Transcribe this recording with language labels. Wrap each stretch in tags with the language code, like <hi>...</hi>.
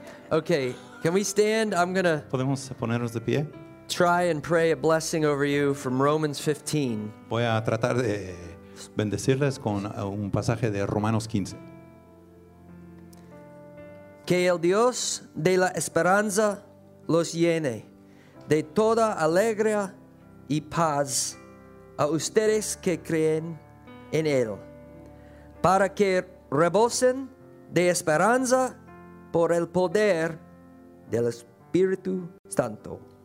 <en>Okay, can we stand? I'm gonna.</en> <es>¿Podemos ponernos de pie?</es> <en>Try and pray a blessing over you from Romans 15.</en> <es>Voy a tratar de bendecirles con un pasaje de Romanos 15. Que el Dios de la esperanza los llene de toda alegría y paz a ustedes que creen en Él, para que rebosen de esperanza por el poder del Espíritu Santo.</es>